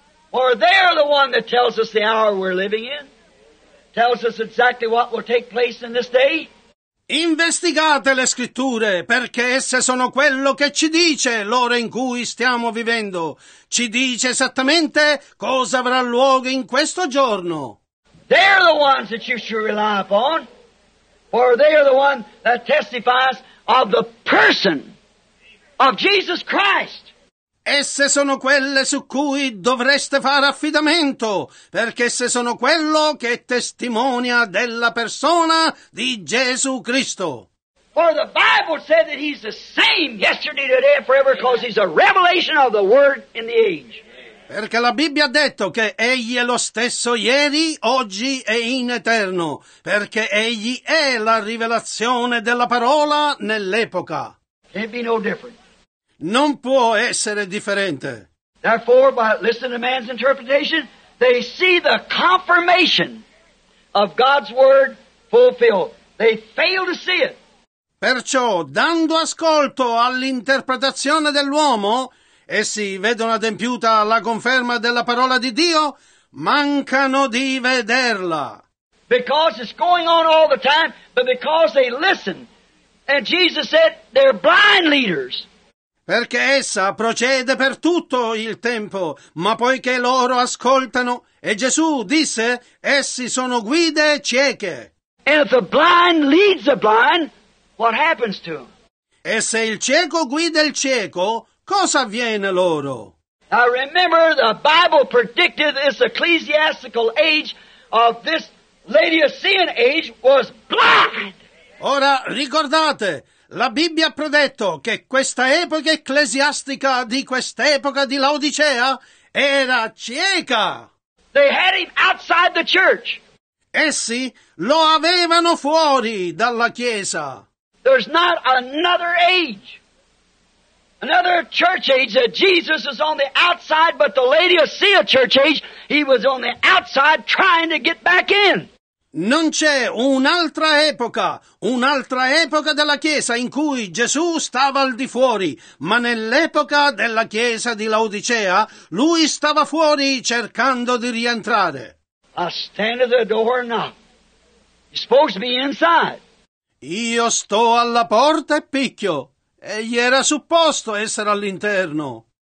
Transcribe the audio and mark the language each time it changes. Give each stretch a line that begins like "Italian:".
English: For they are the one that tells us the hour we're living in. Tells us exactly what will take place in this day.
Italian: Investigate le scritture, perché esse sono quello che ci dice l'ora in cui stiamo vivendo. Ci dice esattamente cosa avrà luogo in questo giorno.
English: They're the ones that you should rely upon, for they are the one that testifies of the person of Jesus Christ.
Italian: Esse sono quelle su cui dovreste fare affidamento, perché esse sono quello che testimonia della persona di Gesù Cristo.
English: For the Bible said that he's the same yesterday, today, and forever, because he's a revelation of the word in the age.
Italian: Perché la Bibbia ha detto che egli è lo stesso ieri, oggi e in eterno, perché egli è la rivelazione della parola nell'epoca.
English: Can't be no different.
Italian: Non può essere differente.
English: Therefore, by listening to man's interpretation, they see the confirmation of God's word fulfilled. They fail to see it.
Italian: Perciò, dando ascolto all'interpretazione dell'uomo, essi vedono adempiuta la conferma della parola di Dio, mancano di vederla.
English: Because it's going on all the time, but because they listen. And Jesus said, they're blind leaders.
Italian: Perché essa procede per tutto il tempo, ma poiché loro ascoltano, e Gesù disse, essi sono guide cieche.
English: And if the blind leads the blind, what happens to them?
Italian: E se il cieco guida il cieco, cosa avviene loro?
English: Now remember, the Bible predicted this ecclesiastical age of this Laodicean age was blind.
Italian: Ora ricordate, la Bibbia ha predetto che questa epoca ecclesiastica di quest'epoca di Laodicea era cieca.
English: They had him outside the church.
Italian: Essi lo avevano fuori dalla chiesa.
English: There's not another age, another church age that Jesus is on the outside, but the Laodicea church age, he was on the outside trying to get back in.
Italian: Non c'è un'altra epoca della Chiesa in cui Gesù stava al di fuori, ma nell'epoca della Chiesa di Laodicea, lui stava fuori cercando di rientrare.
English: I stand at the door and knock. You're supposed to be inside.
Italian: Io sto alla porta e picchio. Egli era supposto essere all'interno.